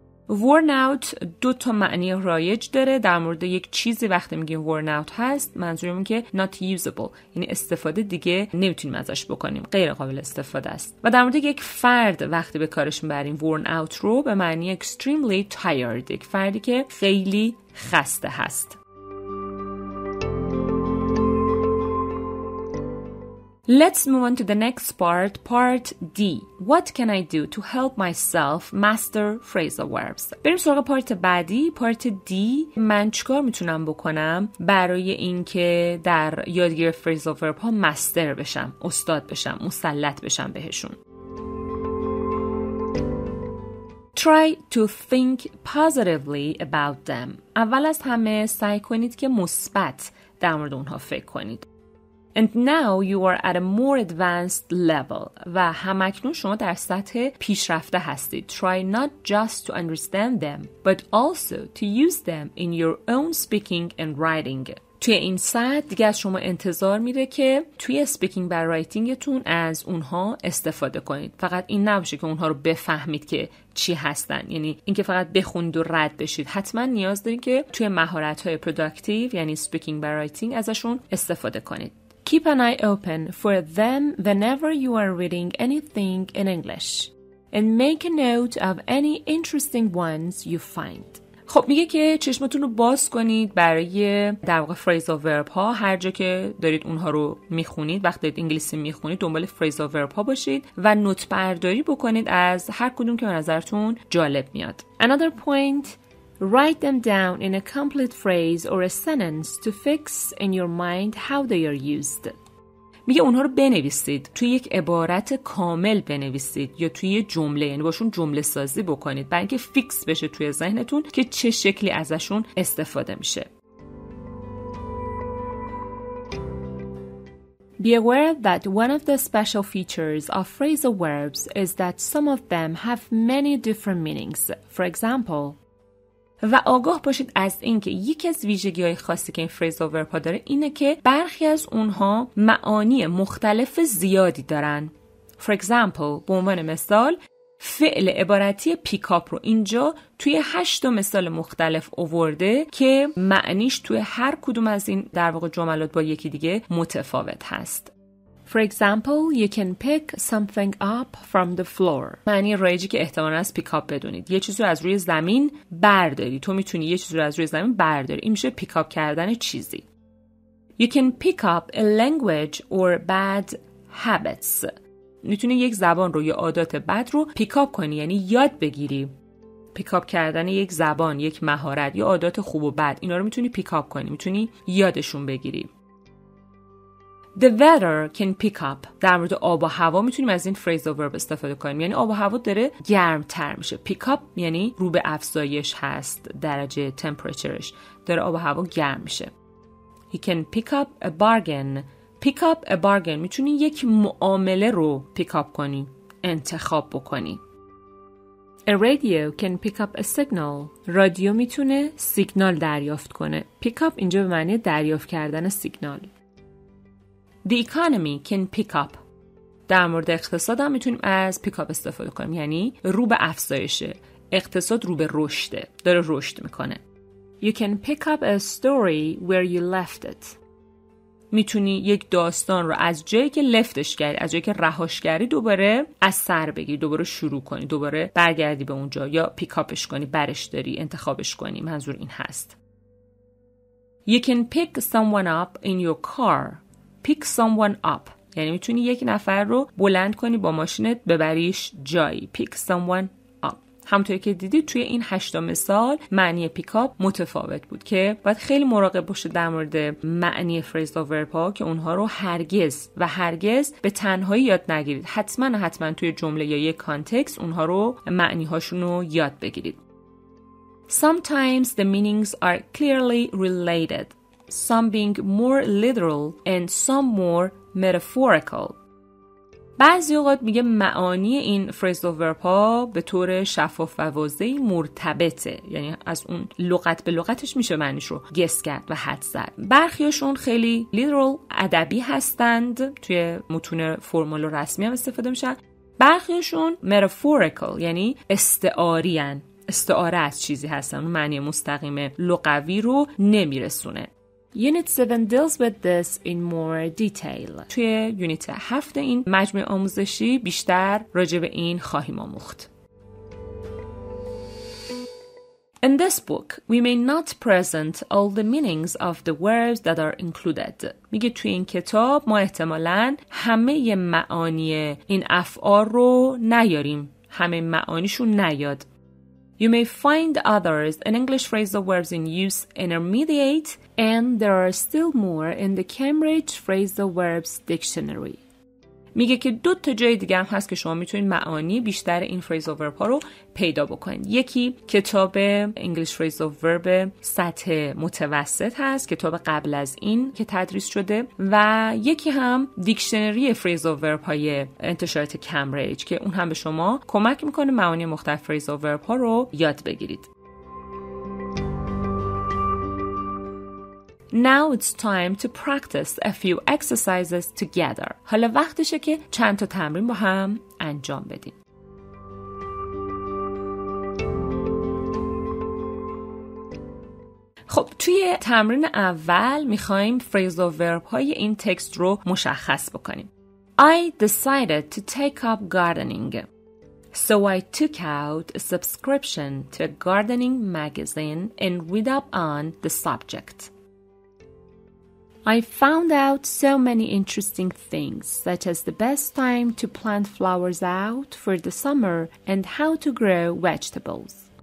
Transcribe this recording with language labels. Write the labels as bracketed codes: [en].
[fa] worn out دو تا معنی رایج داره. در مورد یک چیزی وقتی میگیم worn out هست، منظورمون که [en] not usable، [fa] یعنی استفاده دیگه نمیتونیم ازش بکنیم، غیر قابل استفاده است. و در مورد یک فرد وقتی به کارش میبریم worn out رو، به معنی [en] extremely tired، [fa] یک فردی که خیلی خسته هست. [en] Let's move on to the next part, part D. What can I do to help myself master phrasal verbs? [fa] بریم سراغ پارت بعدی، پارت D. من چیکار میتونم بکنم برای اینکه در یادگیری phrasal verb ها مستر بشم، استاد بشم، مسلط بشم بهشون. [en] Try to think positively about them. [fa] اول از همه سعی کنید که مثبت در مورد اونها فکر کنید. [en] And now you are at a more advanced level. [fa] و همکنون شما در سطح پیشرفته هستید. [en] Try not just to understand them, but also to use them in your own speaking and writing. [fa] توی این ساعت دیگه از شما انتظار میره که توی اسپیکینگ و رایتینگتون از اونها استفاده کنید. فقط این نباشه که اونها رو بفهمید که چی هستن، یعنی اینکه فقط بخونید و رد بشید. حتما نیاز دارید که توی مهارت‌های پروداکتیو یعنی اسپیکینگ و رایتینگ ازشون استفاده کنید. [en] Keep an eye open for them whenever you are reading anything in English and make a note of any interesting ones you find. [fa] خب میگه که چشمتون رو باز کنید برای در واقع phrasal verb ها، هر جا که دارید اونها رو میخونید، وقتی دارید انگلیسی میخونید دنبال phrasal verb ها باشید و نوت برداری بکنید از هر کدوم که به نظرتون جالب میاد. [en] Another point, write them down in a complete phrase or a sentence to fix in your mind how they are used. [fa] میگه اونها رو بنویسید، توی یک عبارت کامل بنویسید یا توی یه جمله، یعنی باشون جمله سازی بکنید برای اینکه فیکس بشه توی ذهنتون که چه شکلی ازشون استفاده میشه. [en] Be aware that one of the special features of phrasal verbs is that some of them have many different meanings. For example, [fa] و آگاه باشید از اینکه یکی از ویژگی‌های خاصی که این phrasal verb ها داره اینه که برخی از اونها معانی مختلف زیادی دارن. [en] For example، [fa] به عنوان مثال فعل عبارتی pick up رو اینجا توی 8 مثال مختلف آورده که معنیش توی هر کدوم از این در واقع جملات با یکی دیگه متفاوت هست. [en] For example, you can pick something up from the floor. [fa] معنی رایجی که احتمالاً از پیک اپ بدونید. یه چیزی رو از روی زمین برداری. تو میتونی یه چیزی رو از روی زمین برداری. این میشه پیک اپ کردن چیزی. [en] You can pick up a language or bad habits. [fa] میتونی یک زبان رو یا عادات بد رو پیک اپ کنی، یعنی یاد بگیری. پیک اپ کردن یک زبان، یک مهارت یا عادات خوب و بد، اینا رو میتونی پیک اپ کنی، میتونی یادشون بگیری. [en] The weather can pick up. [fa] در مورد آب و هوا میتونیم از این phrasal verb استفاده کنیم. یعنی آب و هوا داره گرمتر میشه. Pick up یعنی رو به افزایش هست درجه temperatureش. داره آب و هوا گرم میشه. [en] He can pick up a bargain. Pick up a bargain. [fa] میتونی یک معامله رو pick up کنی. انتخاب بکنی. [en] A radio can pick up a signal. [fa] رادیو میتونه سیگنال دریافت کنه. Pick up اینجا به معنی دریافت کردن سیگنال. [en] The economy can pick up. [fa] در مورد اقتصاد هم میتونیم از pick up استفاده کنیم، یعنی رو به افزایشه، اقتصاد رو به رشده، داره رشد میکنه. [en] You can pick up a story where you left it. [fa] میتونی یک داستان رو از جایی که لفتش کردی، از جایی که رهاش کردی دوباره از سر بگیری، دوباره شروع کنی، دوباره برگردی به اونجا یا pick upش کنی، برش داری، انتخابش کنی. منظور این هست. [en] You can pick someone up in your car. Pick someone up. [fa] یعنی میتونی یک نفر رو بلند کنی با ماشینت ببریش جایی. [en] Pick someone up. [fa] همونطوری که دیدید توی این 8 مثال معنی پیک اپ متفاوت بود که باید خیلی مراقب باشید در مورد معنی phrasal verb ها که اونها رو هرگز و هرگز به تنهایی یاد نگیرید. حتما توی جمله یا یک کانتکست اونها رو معنی هاشون رو یاد بگیرید. [en] Sometimes the meanings are clearly related. Some being more literal and some more metaphorical. [fa] بعضی اوقات میگه معانی این phrasal verb ها به طور شفاف و واضحی مرتبطه، یعنی از اون لغت به لغتش میشه معنیش رو گس کرد و حد زد. برخیاشون خیلی literal ادبی هستند، توی متون فرمال و رسمی هم استفاده میشن. برخیاشون metaphorical یعنی استعاری هن. استعاره از چیزی هستن، اون معنی مستقیم لغوی رو نمیرسونه. [en] Unit 7 deals with this in more detail. [fa] توی یونیت 7 این مجموعه آموزشی بیشتر راجع به این خواهیم آموخت. [en] In this book, we may not present all the meanings of the words that are included. [fa] میگه توی این کتاب ما احتمالاً همه معانی این افعال رو نیاریم. همه معانیشون نیاد. [en] You may find others in English phrasal verbs in use intermediate and there are still more in the Cambridge Phrasal Verbs Dictionary. [fa] میگه که دو تا جای دیگه هم هست که شما میتونید معانی بیشتر این phrasal verb ها رو پیدا بکنید. یکی کتاب English Phrasal Verb سطح متوسط هست، کتاب قبل از این که تدریس شده، و یکی هم دیکشنری phrasal verb های انتشارات کمبریج که اون هم به شما کمک میکنه معانی مختلف phrasal verb ها رو یاد بگیرید. [en] Now it's time to practice a few exercises together. [fa] حالا وقتشه که چند تا تمرین با هم انجام بدیم. خب توی تمرین اول میخواییم phrasal verb های این تکست رو مشخص بکنیم. [en] I decided to take up gardening. So I took out a subscription to a gardening magazine and read up on the subject. I found out so many interesting things, such as the best time to plant flowers out for the summer and how to grow vegetables.